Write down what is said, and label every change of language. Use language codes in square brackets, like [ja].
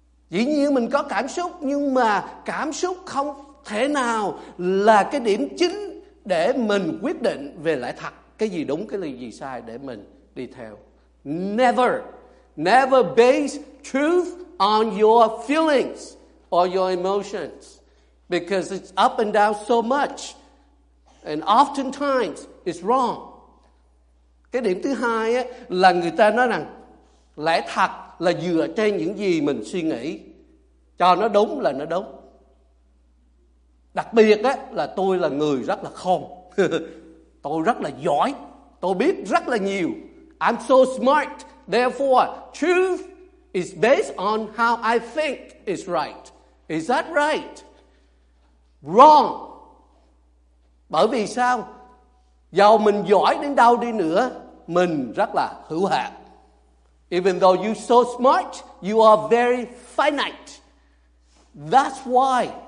[vi] Dĩ nhiên mình có cảm xúc, nhưng mà cảm xúc không thể nào là cái điểm chính để mình quyết định về lẽ thật, cái gì đúng, cái gì sai để mình đi theo. [en] Never, never base truth on your feelings or your emotions, because it's up and down so much, and oftentimes it's wrong. [vi] Cái điểm thứ hai á, là người ta nói rằng lẽ thật là dựa trên những gì mình suy nghĩ, cho nó đúng là nó đúng. Đặc biệt á, là tôi là người rất là khôn. Tôi rất là giỏi, tôi biết rất là nhiều. [en] I'm so smart, therefore truth is based on how I think is right. Is that right? Wrong. [vi] Bởi vì sao? Dù mình giỏi đến đâu đi nữa, mình rất là hữu hạn. [en] Even though you're so smart, you are very finite. That's why